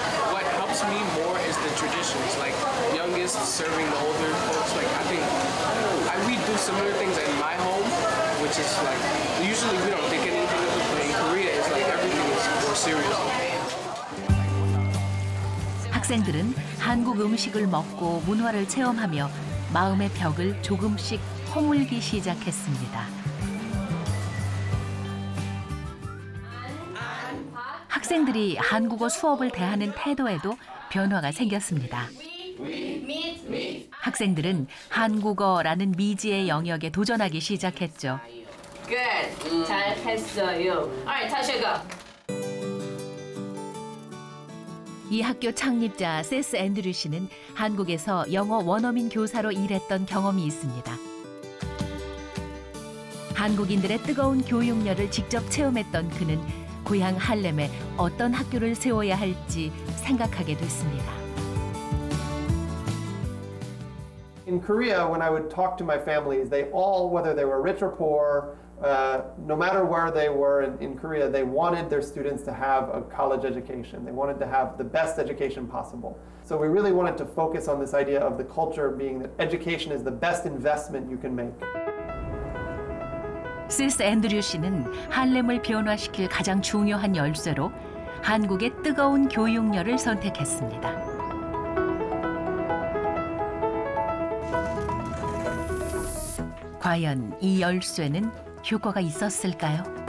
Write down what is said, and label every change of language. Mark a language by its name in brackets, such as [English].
[English] What helps me more is the traditions, like youngest serving the older folks. Like I think we do similar things in my home, which is like usually we don't think anything of it, but in Korea it's like everything is more serious. [Korean] 학생들은 한국 음식을 먹고 문화를 체험하며 마음의 벽을 조금씩 허물기 시작했습니다. 학생들이 한국어 수업을 대하는 태도에도 변화가 생겼습니다. 학생들은 한국어라는 미지의 영역에 도전하기 시작했죠. 굿! 잘했어요. Alright, 다시 go. 이 학교 창립자 세스 앤드류 씨는 한국에서 영어 원어민 교사로 일했던 경험이 있습니다. 한국인들의 뜨거운 교육열을 직접 체험했던 그는 고향 할렘에 어떤 학교를 세워야 할지 생각하게 됐습니다. [English] In Korea, when I would talk to my family, they all, whether they were rich or poor, no matter where they were in Korea, they wanted their students to have a college education. They wanted to have the best education possible. So we really wanted to focus on this idea of the culture being that education is the best investment you can make. [Korean] 시스 앤드류 씨는 할렘을 변화시킬 가장 중요한 열쇠로 한국의 뜨거운 교육열을 선택했습니다. 과연 이 열쇠는 효과가 있었을까요?